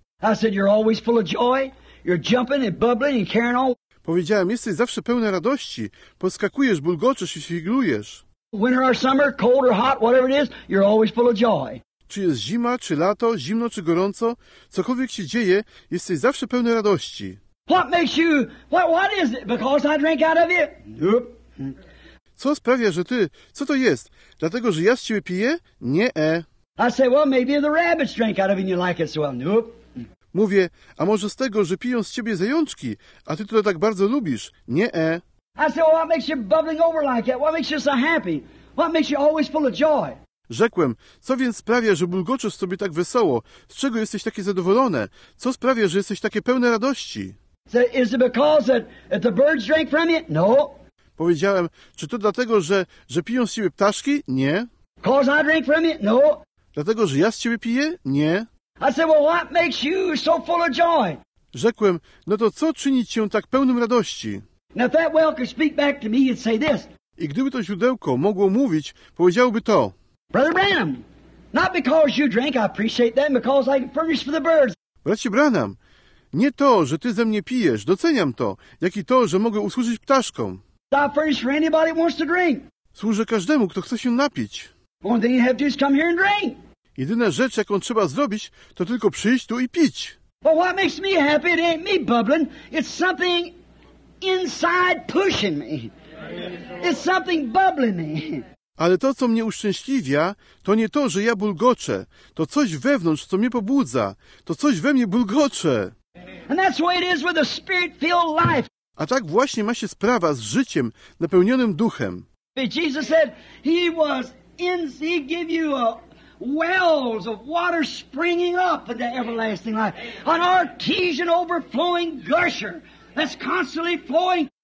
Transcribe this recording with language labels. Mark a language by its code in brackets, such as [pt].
[en] I said, you're always full of joy. You're jumping and bubbling and carrying on. [pl] Powiedziałem, jesteś zawsze pełny radości. Poskakujesz, bulgoczysz i figlujesz. [en] Winter or summer, cold or hot, whatever it is, you're always full of joy. [pl] Czy jest zima, czy lato, zimno, czy gorąco, cokolwiek się dzieje, jesteś zawsze pełny radości. [en] What makes you, what is it? Because I drink out of you? Nope. [pl] Co sprawia, że ty, co to jest? Dlatego, że ja z ciebie piję? Nie, e. [en] I say, well, maybe the rabbits drink out of you and you like it so well. Nope. [pl] Mówię, a może z tego, że piją z ciebie zajączki, a ty to tak bardzo lubisz? Nie, e. [en] I said, well, what makes you bubbling over like that? What makes you so happy? What makes you always full of joy? [pl] Rzekłem, co więc sprawia, że bulgoczysz sobie tak wesoło? Z czego jesteś takie zadowolone? Co sprawia, że jesteś takie pełne radości? [en] So, is it because that the birds drink from you? No. [pl] Powiedziałem, czy to dlatego, że piją z ciebie ptaszki? Nie. [en] Because I drink from you? No. [pl] Dlatego, że ja z ciebie piję? Nie. [en] I said, well, what makes you so full of joy? [pl] Rzekłem, no to co czyni cię tak pełnym radości? [en] Now if that well could speak back to me, it'd say this. [pl] I gdyby to źródełko mogło mówić, powiedziałby to. [en] Brother Branham, not because you drink, I appreciate that, because I can furnish for the birds. [pl] Bracie Branham, nie to, że ty ze mnie pijesz, doceniam to, jak i to, że mogę usłużyć ptaszkom. [en] I furnish for anybody who wants to drink. [pl] Służę każdemu, kto chce się napić. [en] One thing you have to do is come here and drink. [pl] Jedyna rzecz, jaką trzeba zrobić, to tylko przyjść tu i pić. [en] But what makes me happy, it ain't me bubbling, it's something inside pushing me. It's something bubbling me. [pl] Ale to, co mnie uszczęśliwia, to nie to, że ja bulgoczę. To coś wewnątrz, co mnie pobudza. To coś we mnie bulgocze. [en] And that's the way it is with a spirit-filled life. [pl] A tak właśnie ma się sprawa z życiem napełnionym duchem. [en] Jesus said he was in, he gave you a wells of water springing up in the everlasting life, an artesian overflowing gusher that's constantly flowing.